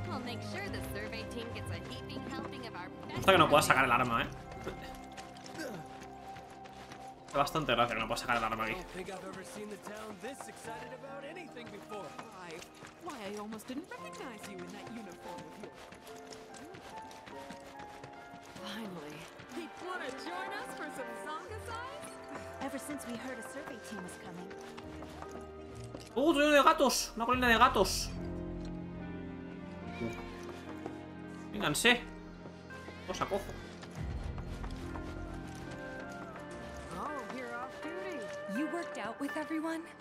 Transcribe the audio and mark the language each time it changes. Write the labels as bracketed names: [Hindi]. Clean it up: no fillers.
[English] We'll make sure the survey team gets a heaping helping of our best. [Spanish] Me gusta que no pueda sacar el arma, eh. Es bastante gracia que no pueda sacar el arma aquí. [English] I don't think I've ever seen the town this excited about anything before. Why, I almost didn't recognize you in that uniform with you. Finally. They wanna join us for some Zonga size? Ever since we heard a survey team was coming. [Spanish] Otro lleno de gatos, una colina de gatos. Vénganse. Os acojo. [English] Oh, you're off duty. You worked out with everyone?